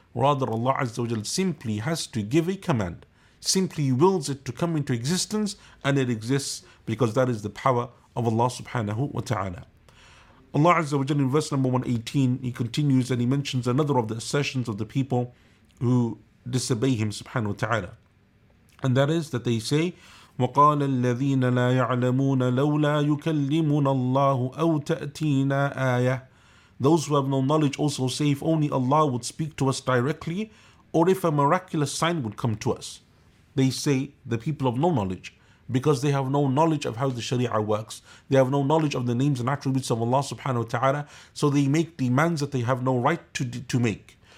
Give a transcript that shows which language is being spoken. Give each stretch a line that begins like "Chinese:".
English: Rather, Allah Azza wa Jalla simply has to give a command, simply wills it to come into existence, and it exists because that is the power of Allah subhanahu wa ta'ala. Allah Azza wa Jalla in verse number 118, he continues and he mentions another of the assertions of the people who disobey him subhanahu wa ta'ala. And that is that they say,
Arabic: وَقَالَ الَّذِينَ لَا يَعْلَمُونَ لَوْلَا يُكَلِّمُنَ اللَّهُ أَوْ تَأْتِينَا آيَةً.
English: Those who have no knowledge also say, if only Allah would speak to us directly, or if a miraculous sign would come to us. They say, the people of no knowledge, because they have no knowledge of how the Sharia works. They have no knowledge of the names and attributes of Allah subhanahu wa ta'ala. So they make demands that they have no right to make.